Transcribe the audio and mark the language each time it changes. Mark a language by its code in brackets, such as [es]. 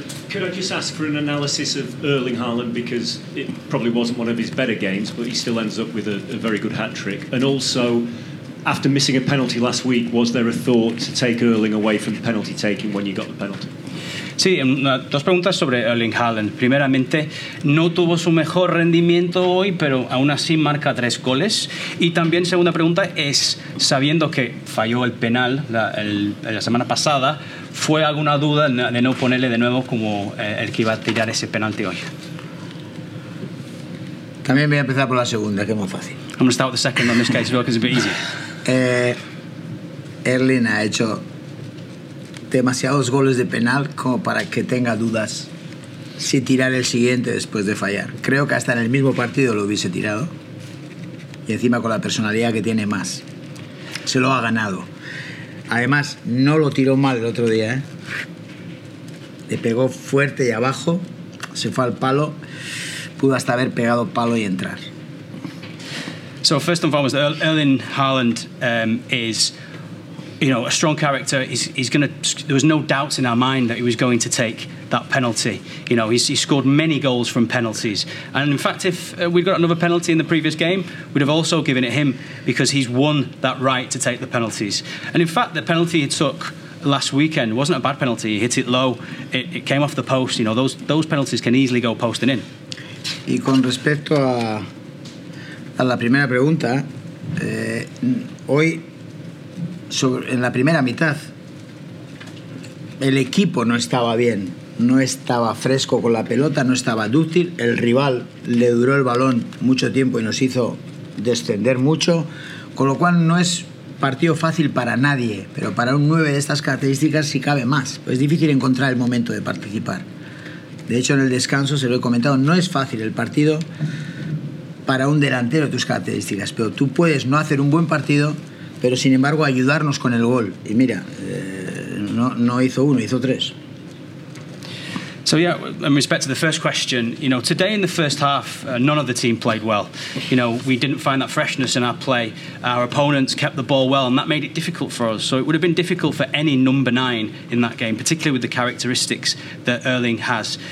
[en] Could I just ask for an analysis of Erling Haaland, because it probably wasn't one of his better games, but he still ends up with a very good hat-trick. And also... After missing a penalty last week, was there a thought to take Erling away from the penalty taking when you got the penalty? [es] Sí, dos preguntas sobre Erling Haaland. Primeramente, no tuvo su mejor rendimiento hoy, pero aún así marca tres goles. Y también, segunda pregunta, es sabiendo que falló el penal la semana pasada, ¿fue alguna duda de no ponerle de nuevo como el que iba a tirar ese penalti hoy? También voy a empezar por la segunda, que es más fácil. [en] I'm going to start with the second on this case as well, because it's a bit easier. [es] Erling ha hecho demasiados goles de penal como para que tenga dudas si tirar el siguiente después de fallar. Creo que hasta en el mismo partido lo hubiese tirado. Y encima con la personalidad que tiene más. Se lo ha ganado. Además, no lo tiró mal el otro día, ¿eh? Le pegó fuerte y abajo, se fue al palo, pudo hasta haber pegado palo y entrar. [en] So first and foremost, Erling Haaland is, you know, a strong character. He's going to. There was no doubts in our mind that he was going to take that penalty. You know, he scored many goals from penalties. And in fact, if we'd got another penalty in the previous game, we'd have also given it him because he's won that right to take the penalties. And in fact, the penalty he took last weekend wasn't a bad penalty. He hit it low. It came off the post. You know, those penalties can easily go post and in. [es] Y con respecto a la primera pregunta, hoy sobre, en la primera mitad el equipo no estaba bien, no estaba fresco con la pelota, no estaba dúctil, el rival le duró el balón mucho tiempo y nos hizo descender mucho, con lo cual no es partido fácil para nadie, pero para un 9 de estas características sí cabe más, pues es difícil encontrar el momento de participar. De hecho, en el descanso se lo he comentado, no es fácil el partido para un delantero, tus características, pero tú puedes no hacer un buen partido, pero sin embargo ayudarnos con el gol. Y mira, no hizo uno, hizo tres. [en] So yeah, in respect to the first question, you know, today in the first half, none of the team played well. You know, we didn't find that freshness in our play. Our opponents kept the ball well, and that made it difficult for us. So it would have been difficult for any number nine in that game, particularly with the characteristics that Erling has.